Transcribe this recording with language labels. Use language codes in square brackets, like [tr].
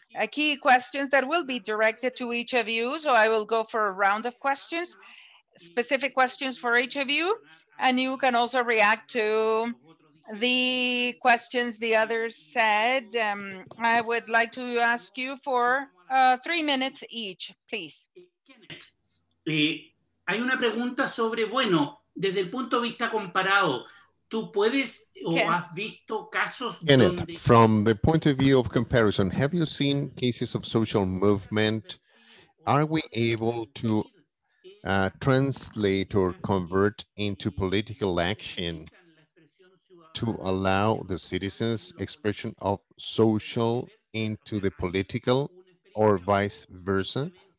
[en] Key questions that will be directed to each of you. So I will go for a round of questions, specific questions for each of you. And you can also react to the questions the others said. I would like to ask you for 3 minutes each, please. [es] Kenneth, hay una pregunta sobre, bueno, desde el punto de vista comparado, tú puedes o Ken. Has visto casos donde... [en] Kenneth, from the point of view of comparison, have you seen cases of social movement? Are we able to... translate or convert into political action to allow the citizens' expression of social into the political or vice versa?